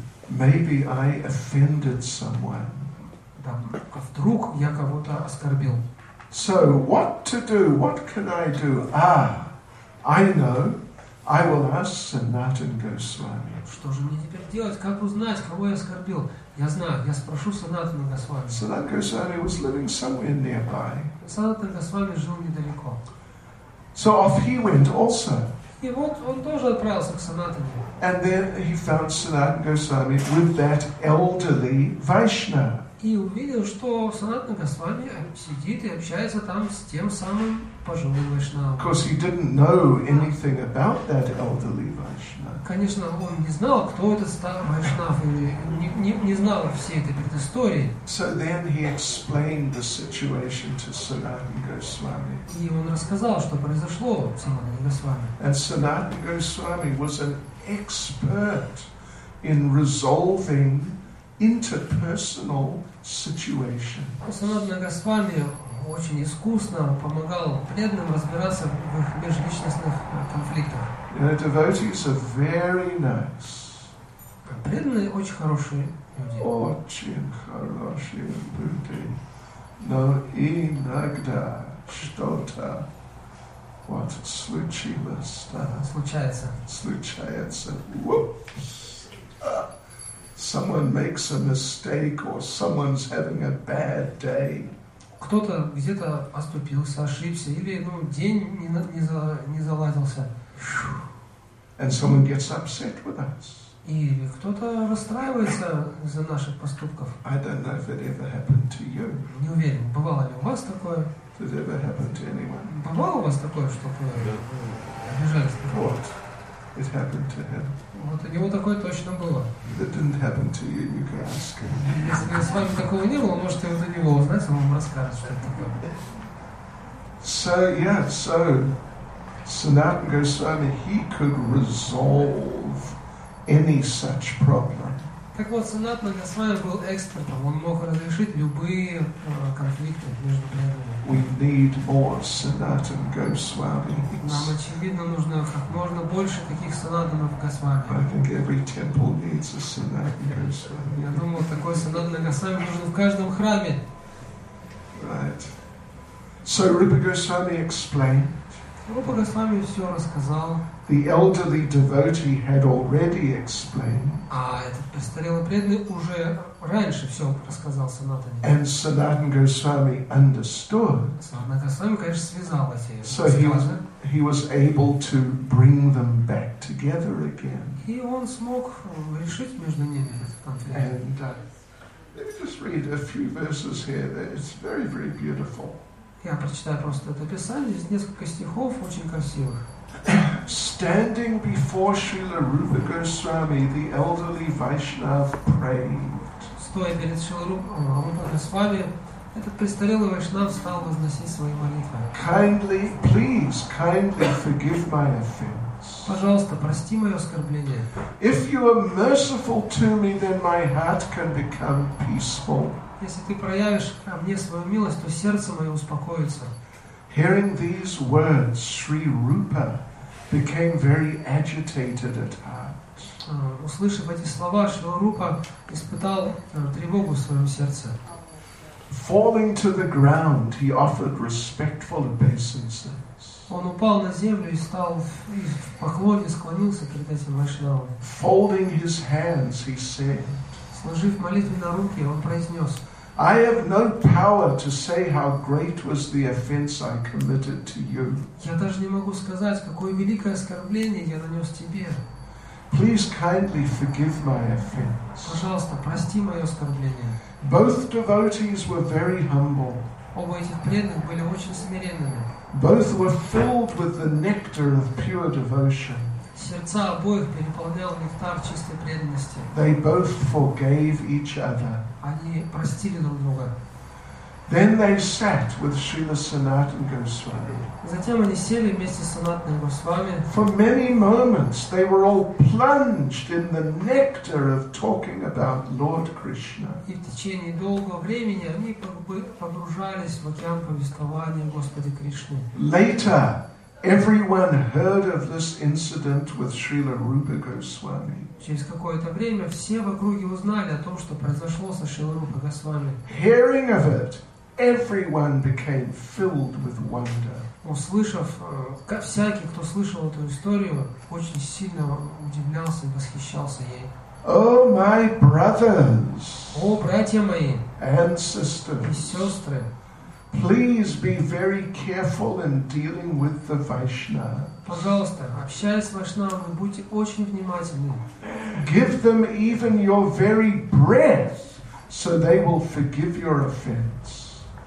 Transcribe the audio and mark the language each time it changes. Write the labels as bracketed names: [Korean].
[English] Maybe I offended someone. [Russian] Да, вдруг я кого-то оскорбил. [English] So, what to do? What can I do? Ah, I know. I will ask Sanatan Goswami. [Russian] Что же мне теперь делать? Как узнать, кого я оскорбил? Я знаю, я спрошу Санатана Госвами. [English] Sanatan Goswami was living somewhere nearby. [Russian] Санатан Госвами жил недалеко. [English] So, off he went also. [Russian] И вот он тоже отправился к Санатану. [English] And then he found Sanatan Goswami with that elderly Vaishnava. [Russian] И увидел, что Санатана Госвами сидит и общается там с тем самым пожилым вайшнавом. [English] Because he didn't know anything about that elderly Vaishnava. [Russian] конечно, он не знал, кто это старый Вайшнав, или не знал всей этой предыстории. [English] So then he explained the situation to Sanatan Goswami. [Russian] И он рассказал, что произошло с Санатаной Госвами. [English] And Sanatan Goswami was an expert in resolving interpersonal situations. [Russian] Санатана Госвами очень искусно помогал преданным разбираться в их межличностных конфликтах. [English] You know, devotees are very nice. [Russian] Преданные очень хорошие люди. Очень хорошие люди. Но иногда что-то вот случилось. Да? Случается. Случается. [English] Whoops. Someone makes a mistake or someone's having a bad day. [Russian] Кто-то где-то оступился, ошибся, или ну, день не заладился. [English] And someone gets upset with us. [Russian] Или кто-то расстраивается из-за наших поступков. [English] I don't know if it ever happened to you. [Russian] Не уверен, бывало ли у вас такое? [English] Did it ever happen to anyone? [Russian] Бывало у вас такое, что вы обижались? [English] What? It happened to him. [Russian] Вот у него такое точно было. [English] If it didn't happen to you, you can ask him. [Russian] Если с вами такого не было, можете вот у него узнать, он вам расскажет, что это такое. [English] So, yeah, so... Sanatana Goswami, he could resolve any such problem. [Russian] Так вот, Санатана Госвами был экспертом. Он мог разрешить любые конфликты между преданными. [English] We need more Sanatana Goswamis. [Russian] Нам очевидно нужно как можно больше таких Санатанов Госвами. [English] I think every temple needs a Sanatana Goswami. [Russian] Я думаю, такой Санатана Госвами нужен в каждом храме. [English] Right. So Rupa Goswami explained. [Russian] Рупа Госвами все рассказал. [English] The elderly devotee had already explained. [Russian] А этот престарелый преданный уже раньше все рассказал Санатане. [English] And Sanatan Goswami understood. [Russian] Санатана Госвами, конечно, связал эти рассказы. [English] So he was able to bring them back together again. [Russian] И он смог решить между ними этот конфликт. [English] And let me just read a few verses here. It's very, very beautiful. [Russian] Я прочитаю просто это описание из нескольких стихов, очень красивых. [English] Standing before Srila Rupa Goswami, the elderly Vaishnav prayed. [Russian] Стоя перед Шрила Рупа Госвами, этот престарелый Вайшнав стал возносить свои молитвы. [English] Kindly, please, kindly forgive my offense. [Russian] Пожалуйста, прости мое оскорбление. [English] If you are merciful to me, then my heart can become peaceful. [Russian] Если ты проявишь ко мне свою милость, то сердце мое успокоится. [English] Hearing these words, Sri Rupa became very agitated at heart. [Russian] Услышав эти слова, Шрила Рупа испытал тревогу в своем сердце. [English] Falling to the ground, he offered respectful obeisances. [Russian] Он упал на землю и стал в поклоне склонился перед этим Вайшнавом. [English] Folding his hands, he said. [Russian] Сложив молитвы на руки, он произнес. [English] I have no power to say how great was the offense I committed to you. [Russian] Я даже не могу сказать, какое великое оскорбление я нанес тебе. [English] Please kindly forgive my offense. [Russian] Пожалуйста, прости мое оскорбление. [English] Both devotees were very humble. [Russian] Оба этих преданных были очень смиренными. [English] Both were filled with the nectar of pure devotion. [Russian] Сердца обоих переполнял нектар чистой преданности. [English] They both forgave each other. [Russian] Они простили друг друга. [English] Then they sat with Srila Sanatana Goswami. [Russian] Затем они сели вместе с Санатаной Госвами. [English] For many moments they were all plunged in the nectar of talking about Lord Krishna. [Russian] И в течение долгого времени они погружались в океан повествования Господа Кришны. [English] Later, everyone heard of this incident with Srila Rupa Goswami. [Russian] Через какое-то время все в округе узнали о том, что произошло со Шрилой Рупа Госвами. [English] Hearing of it, everyone became filled with wonder. [Russian] Услышав, всякий, кто слышал эту историю, очень сильно удивлялся и восхищался ей. [English] Oh, my brothers! [Russian] О, братья мои! [English] And sisters! [Russian] И сестры! [English] Please be very careful in dealing with the Vaishnava. [Russian] Пожалуйста, общаясь с Вайшнавами, будьте очень внимательны. [English] Give them even your very breath, so they will forgive your offense.